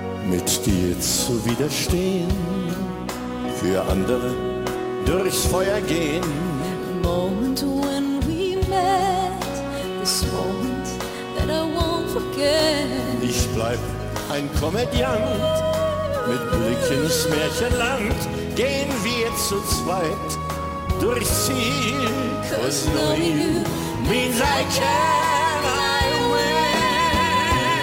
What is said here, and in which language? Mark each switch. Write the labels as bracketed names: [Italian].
[German] Mit dir zu widerstehen, für andere durchs Feuer gehen. [English] The moment when we met, this moment that I won't forget. [German] Ich bleib ein Komödiant, mit Blick ins Märchenland. Gehen wir zu zweit durchs Ziel. [English] Cause knowing you means I can, I will.